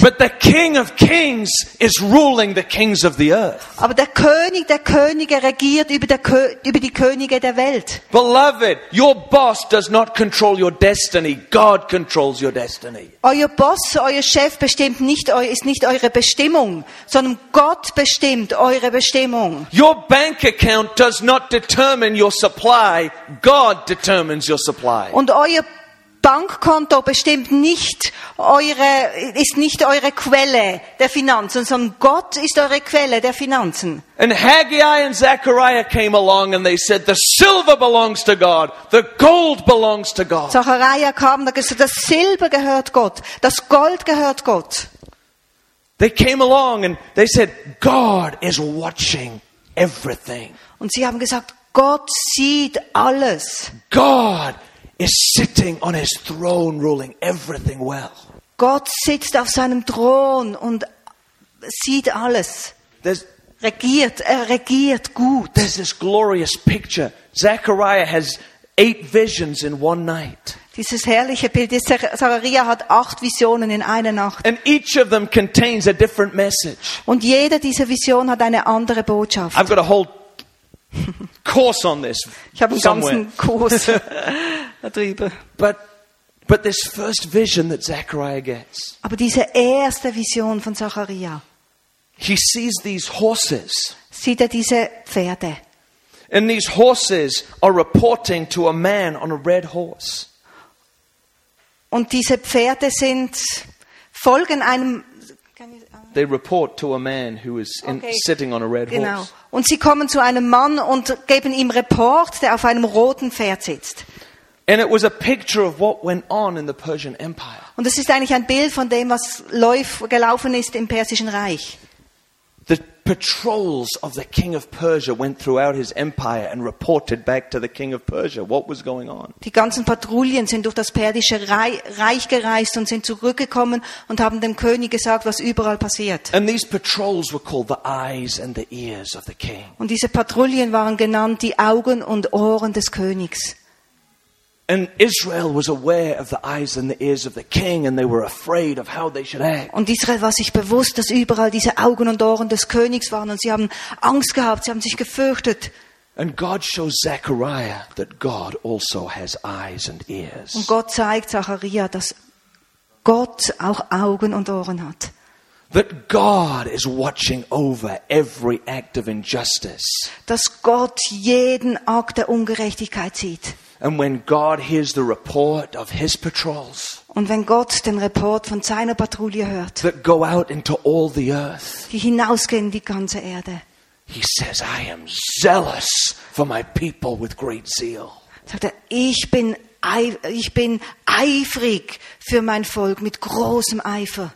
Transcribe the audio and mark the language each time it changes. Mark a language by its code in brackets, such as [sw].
[en] But the king of kings is ruling the kings of the earth. [de] Aber der König der Könige regiert über die Könige der Welt. [en] Beloved, your boss does not control your destiny. God controls your destiny. [de] Euer Boss, euer Chef bestimmt nicht, ist nicht eure Bestimmung, sondern Gott bestimmt eure Bestimmung. [en] Your bank account does not determine your supply. God determines your supply. [de] Und euer Bankkonto bestimmt nicht eure, ist nicht eure Quelle der Finanzen, sondern Gott ist eure Quelle der Finanzen. [en] And Haggai and Zechariah came along and they said, the silver belongs to God, the gold belongs to God. [de] Zachariah kam und sagte, das Silber gehört Gott, das Gold gehört Gott. [en] They came along and they said, God is watching everything. [de] Und sie haben gesagt, Gott sieht alles. [en] God is sitting on his throne ruling everything well. [de] Gott sitzt auf seinem Thron und sieht alles. Er regiert gut. [en] There's this glorious picture. Zechariah has 8 visions in one night. [de] Dieses herrliche Bild. Zachariah hat 8 Visionen in einer Nacht. [en] And each of them contains a different message. [de] Und jede dieser Visionen hat eine andere Botschaft. [en] I've got a whole course on this. [de] Ich habe einen ganzen Kurs darüber. [en] But this first vision that Zechariah gets. [de] Aber diese erste Vision von Zachariah. [en] He sees these horses. [de] Sieht er diese Pferde. [en] And these horses are reporting to a man on a red horse. [de] Und diese Pferde sind folgen einem. [en] They report to a man who is in, okay. Sitting on a red horse. [de] Genau. Und sie kommen zu einem Mann und geben ihm Report, der auf einem roten Pferd sitzt. [en] And it was a picture of what went on in the Persian Empire. [de] Und es ist eigentlich ein Bild von dem, was gelaufen ist im Persischen Reich. [en] The patrols of the king of Persia went throughout his empire and reported back to the king of Persia what was going on. [de] Die ganzen Patrouillen sind durch das Persische Reich gereist und sind zurückgekommen und haben dem König gesagt, was überall passiert. [en] And these patrols were called the eyes and the ears of the king. [de] Und diese Patrouillen waren genannt die Augen und Ohren des Königs. [en] And Israel was aware of the eyes and the ears of the king, and they were afraid of how they should act. [de] Und Israel war sich bewusst, dass überall diese Augen und Ohren des Königs waren, und sie haben Angst gehabt, sie haben sich gefürchtet. [en] And God shows Zechariah that God also has eyes and ears. [de] Und Gott zeigt Zachariah, dass Gott auch Augen und Ohren hat. [en] That God is watching over every act of injustice. [de] Dass Gott jeden Akt der Ungerechtigkeit sieht. [en] And when God hears the report of his patrols, [de] und wenn Gott den Report von seiner Patrouille hört, [en] that go out into all the earth, [de] die hinausgehen in die ganze Erde, [en] he says, I am zealous for my people with great zeal. [de] Sagt er, ich bin eifrig für mein Volk mit großem Eifer.